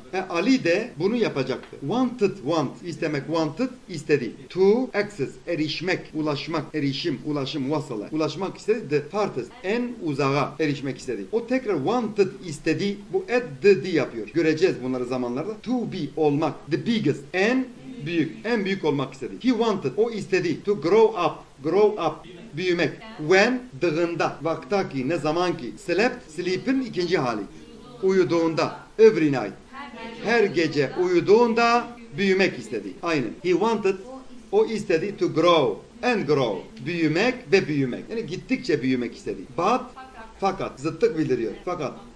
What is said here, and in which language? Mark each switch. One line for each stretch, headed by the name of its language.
Turkish: Ali de bunu yapacaktı. Wanted, want. İstemek, wanted, istedi. To, access, erişmek, ulaşmak, erişim, ulaşım, vasıla. Ulaşmak istedi,
English: the farthest,
Turkish: en uzağa erişmek istedi. O tekrar wanted, istedi, bu at the yapıyor. Göreceğiz bunları zamanlarda.
English: To be,
Turkish: olmak,
English: the biggest,
Turkish: en büyük, en büyük olmak istedi.
English: He wanted, o istedi, to grow up, grow up.
Turkish: Büyümek. When, dığında, vaktaki, ne zamanki. Slept, sleep'in ikinci hali. Uyuduğunda, every night, her gece uyuduğunda büyümek istedi. Aynen.
English: He wanted,
Turkish: o istedi
English: to grow and grow.
Turkish: Büyümek ve büyümek. Yani gittikçe büyümek istedi. But, fakat, zıttık bildiriyor. Fakat,